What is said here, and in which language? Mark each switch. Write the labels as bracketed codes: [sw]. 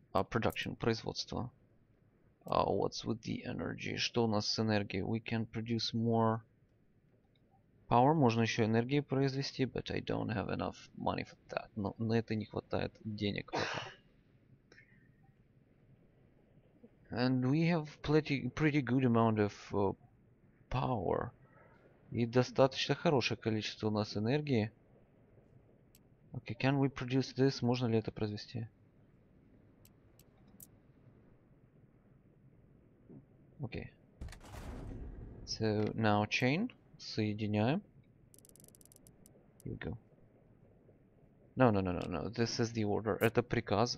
[en] Production, [ru] производство. [en] What's with the energy? [ru] Что у нас с энергией? [en] We can produce more power. [ru] Можно еще энергии произвести, [en] but I don't have enough money for that. [ru] Но на это не хватает денег. [en] And we have pretty good amount of power. [ru] И достаточно хорошее количество у нас энергии. [en] Okay, can we produce this? [ru] Можно ли это произвести? [en] Okay. So now chain. [ru] Соединяем. [en] Here we go. No. This is the order. [ru] Это приказ.